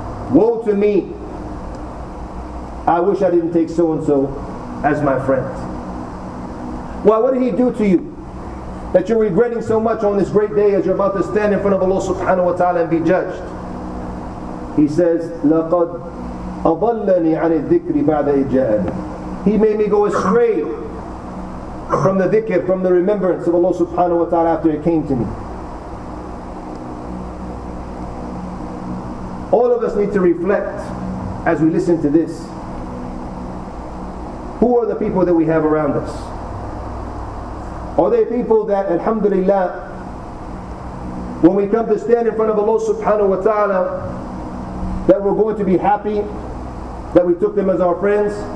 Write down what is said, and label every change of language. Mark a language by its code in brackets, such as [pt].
[en] Woe to me, I wish I didn't take so and so as my friend. Why, what did he do to you that you're regretting so much on this great day as you're about to stand in front of Allah subhanahu wa ta'ala and be judged? He says, [ar] لَقَدْ أَضَلَّنِي عَنِ الذِّكْرِ بَعْدَ إِجَاءَنِ. [en] He made me go astray from the dhikr, from the remembrance of Allah subhanahu wa ta'ala after it came to me. All of us need to reflect as we listen to this. Who are the people that we have around us? Are they people that, alhamdulillah, when we come to stand in front of Allah subhanahu wa ta'ala, that we're going to be happy that we took them as our friends?